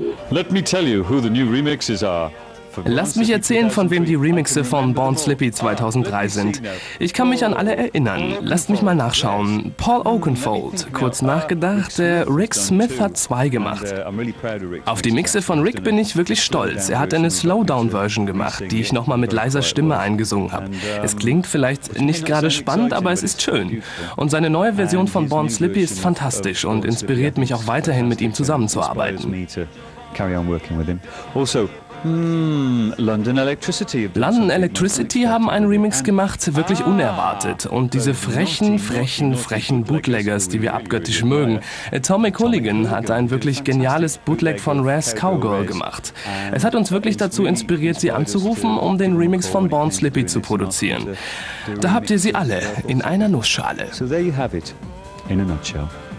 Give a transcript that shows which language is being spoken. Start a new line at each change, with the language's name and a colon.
English: Let me tell you who the new remixes are.
German: Lasst mich erzählen, von wem die Remixe von Born Slippy 2003 sind. Ich kann mich an alle erinnern. Lasst mich mal nachschauen. Paul Oakenfold, kurz nachgedacht, Rick Smith hat zwei gemacht. Auf die Mixe von Rick bin ich wirklich stolz. Er hat eine Slowdown-Version gemacht, die ich nochmal mit leiser Stimme eingesungen habe. Es klingt vielleicht nicht gerade spannend, aber es ist schön. Und seine neue Version von Born Slippy ist fantastisch und inspiriert mich auch weiterhin, mit ihm zusammenzuarbeiten.
English: Carry on working with him. Also, London Electricity.
German: London Electricity haben einen Remix gemacht, wirklich unerwartet. Und diese frechen Bootleggers, die wir abgöttisch mögen. Atomic Hooligan hat ein wirklich geniales Bootleg von Raz Cowgirl gemacht. Es hat uns wirklich dazu inspiriert, sie anzurufen, um den Remix von Born Slippy zu produzieren. Da habt ihr sie alle in einer Nussschale.
English: So there you have it, in a nutshell.